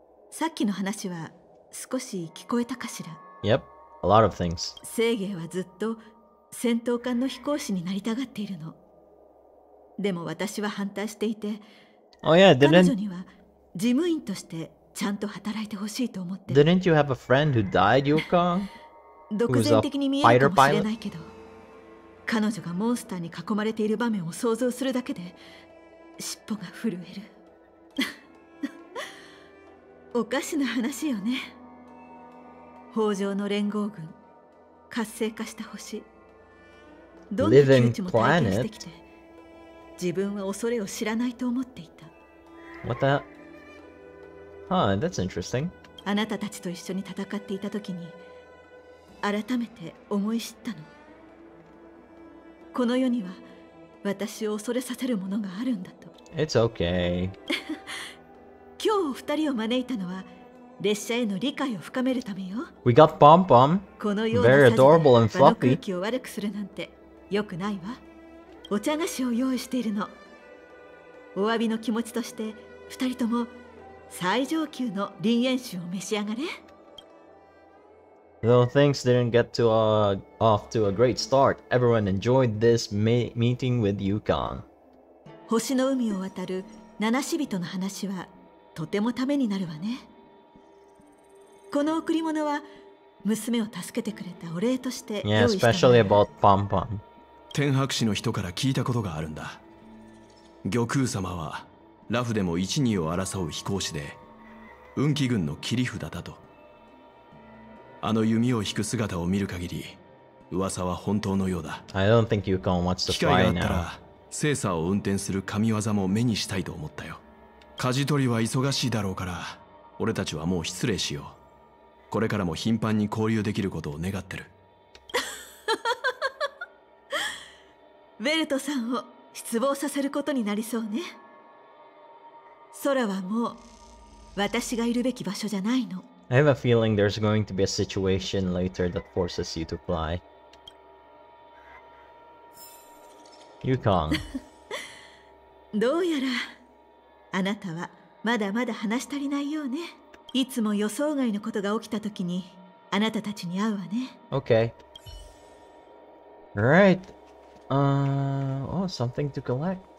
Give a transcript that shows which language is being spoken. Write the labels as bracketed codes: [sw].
[ja] さっきの話は少し聞こえたかしら。 [en] Yep, a lot of things. [ja] 聖芸はずっと戦闘艦の飛行士になりたがっているの。でも私は反対していて、 [en] oh, yeah, didn't... [ja] 彼女には事務員としてちゃんと働いてほしいと思って。 [en] Didn't you have a friend who died, Yukong? [ja] 独善的に見えるかもしれないけど、彼女がモンスターに囲まれている場面を想像するだけで尻尾が震える。おかしな話よね。北条の連合軍、活性化した星、どんな窮地も体験してきて、自分は恐れを知らないと思っていた。また。 [en] Huh, that's interesting. [ja] あなたたちと一緒に戦っていた時に改めて思い知ったの。この世には私を恐れさせるものがあるんだと。 [en] It's okay. [ja] 今日お二人を招いたのは列車への理解を深めるためよ。 [en] We got Pom Pom. [ja] このような [en] Very adorable and fluffy. [ja] 場の空気を悪くするなんてよくないわ。お茶菓子を用意しているの。お詫びの気持ちとして二人とも最上級の臨演酒を召し上がれ。 [en] Though things didn't get to off to a great start, everyone enjoyed this meeting with Yukong. [ja] 星の海を渡る七人の話はとてもためになるわね。この贈り物は娘を助けてくれたお礼として用意したの。 [en] Yeah, especially about Pompom. [ja] 天白氏の人から聞いたことがあるんだ。玉空様はラフでも一二を争う飛行士で、運気軍の切り札だと。あの弓を引く姿を見る限り、噂は本当のようだ。 [en] I don't think you can watch the fly now. [ja] 機会があったら、セーサーを運転する神業も目にしたいと思ったよ。舵取りは忙しいだろうから、俺たちはもう失礼しよう。これからも頻繁に交流できることを願ってる。ウェルトさんを失望させることになりそうね。空はもう私がいるべき場所じゃないの。 [en] I have a feeling there's going to be a situation later that forces you to fly. Yukong. [ja] どうやらあなたはまだまだ話し足りないようね。いつも予想外のことが起きたときにあなたたちに会うわね。 [en] Okay. Alright. Oh, something to collect.